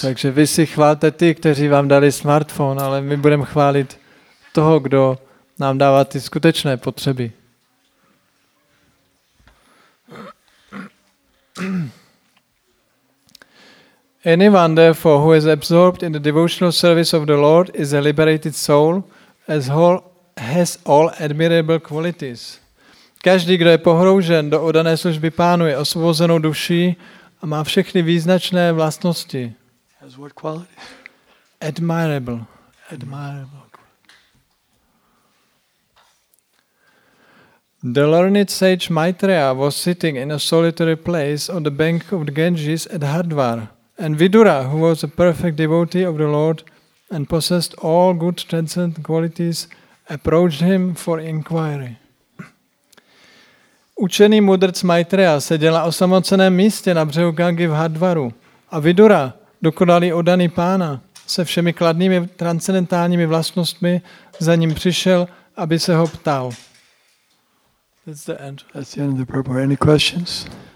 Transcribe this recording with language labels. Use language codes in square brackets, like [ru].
[cs] Takže vy si chválte ty, kteří vám dali smartphone, ale my budeme chválit toho, kdo nám dává ty skutečné potřeby. [en] Anyone, therefore, who is absorbed in the devotional service of the Lord is a liberated soul, as whole has all admirable qualities. [cs] Každý, kdo je pohroužen do oddané služby pánu, je osvobozenou duší a má všechny význačné vlastnosti. [en] Has what qualities? Admirable. Admirable. The learned sage Maitreya was sitting in a solitary place on the bank of the Ganges at Hardwar, and Vidura, who was a perfect devotee of the Lord and possessed all good transcendent qualities, approached him for inquiry. [cs] Učený mudrc Maitreya seděl na osamoceném místě na břehu Gangy v Hardwaru a Vidura, dokonalý oddaný pána, se všemi kladnými transcendentálními vlastnostmi za ním přišel, aby se ho ptal. [en] That's the end. That's the end of the purport. Any questions?